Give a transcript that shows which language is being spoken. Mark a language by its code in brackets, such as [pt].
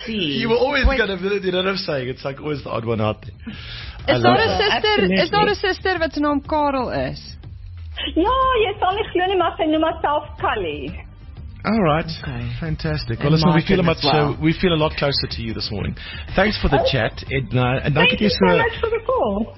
[en] you will always get a village, you know what I'm saying? It's like always the odd one out there. Is there a sister [af] wat se naam Karel is? Ja, jy sal nie glo nie, maar sy noem myself Kali. [en] All right. Okay. Fantastic. Well, listen, we feel a lot closer to you this morning. Thanks for the chat, Edna. And thank you so much for the call.